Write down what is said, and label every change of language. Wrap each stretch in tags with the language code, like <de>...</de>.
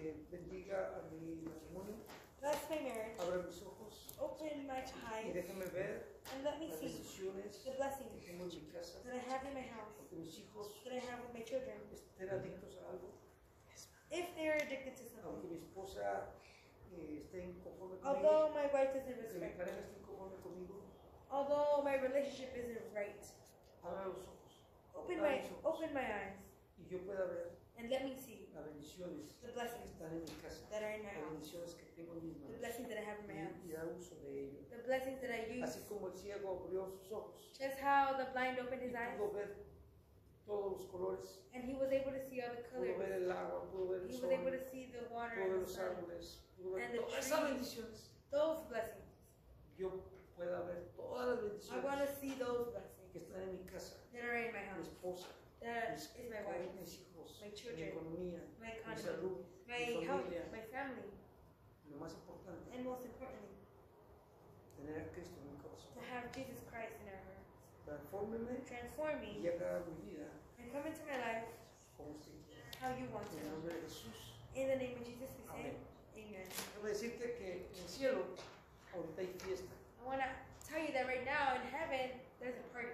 <es>Bendiga a mi matrimonio.</es> <en>Bless my marriage.</en> <es>Abre mis ojos.</es> <en>Open my eyes.</en> <es>Y déjame ver.</es> <en>And let me</en> <es>las</es> <en>see</en> <es>bendiciones</es> <en>the blessings</en> <es>que tengo en mi casa.</es> <en>That I have in my house.</en> <es>Mis hijos.</es> <en>That I have with my children.</en> <es>Estén adictos a algo.</es> <en>If they are addicted to something.</en> <es>Aunque mi esposa esté inconforme conmigo.</es> <en>Although my wife doesn't respect.</en> <es>Mi pareja esté inconforme conmigo.</es> <en>Although my relationship isn't right.</en> <es>Abre los ojos.</es> <en>Open my eyes.</en> <es>Y yo pueda ver.</es> <en>And let me see.</en> <es>Las bendiciones.</es> <en>The blessings.</en> <es>Que están en mi casa.</es> <en>That are in my house.</en> <es>Las bendiciones que tengo en mis manos.</es> <en>The blessings that I have in my hands.</en> <es>Y dar uso de ellos.</es> <en>The blessings that I use.</en> <es>Así como el ciego abrió sus ojos.</es> <en>Just how the blind opened his eyes.</en> <es>Y pudo ver todos los colores.</es> <en>And he was able to see all the colors.</en> <es>Pudo ver el agua. Pudo ver el</es> <en>he</en> <es>sol.</es> <en>He was able to see the water.</en> <es>Pudo ver los árboles. Pudo ver</es> <en>and the trees.</en> <es>Esas bendiciones.</es> <en>Those blessings.</en> <es>Yo pueda ver todas las bendiciones.</es> <en>I want to see those blessings.</en> <es>Que están en mi casa,</es> <en>that are in my house,</en> <es>mi esposa,</es> <en>that</en> <es>mis,</es> <en>is my wife,</en> <es>hijos,</es> <en>my children,</en> <es>mi economía,</es> <en>my economy,</en> <es>mi salud,</es> <en>my</en> <es>mi</es> <en>health, my family,</en> <es>lo más importante,</es> <en>and most importantly,</en> <es>tener a Cristo en mi corazón,</es> <en>to have Jesus Christ in our hearts,</en> <es>transformeme,</es> <en>transform me,</en> <es>y haga mi vida,</es> <en>and come into my life,</en> <es>como si,</es> <en>how you want</en> <es>en</es> <en>to,</en> <es>nombre de Jesús.</es> <en>In the name of Jesus we say,</en> <es>amen.</es> <en>Amen.</en> <es>Quiero decirte que en el cielo, ahorita hay fiesta.</es> <en>I want to tell you that right now in heaven, there's a party</en>